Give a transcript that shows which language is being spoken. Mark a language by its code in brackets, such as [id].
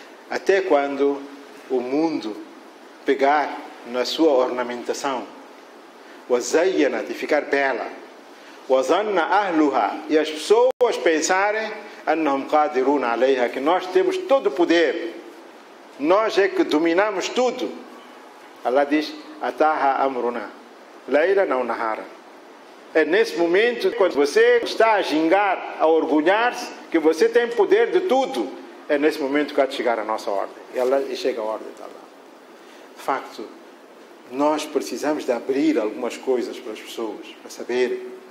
[pt] Até quando o mundo pegar na sua ornamentação, [ar] وَزَيَّنَتْ, [pt] e ficar bela, [ar] وَظَنَّ أَهْلُهَا, [pt] e as pessoas pensarem [ar] أَنَّهُمْ قَادِرُونَ عَلَيْهَا, [pt] que nós temos todo o poder, nós é que dominamos tudo. Allah diz [ar] أَتَاهَا أَمْرُنَا لَيْلًا أَوْ نَهَارًا. [pt] É nesse momento, quando você está a gingar, a orgulhar-se, que você tem poder de tudo. É nesse momento que há de chegar a nossa ordem. E chega a ordem de Allah. De facto, nós precisamos de abrir algumas coisas para as pessoas, para saberem.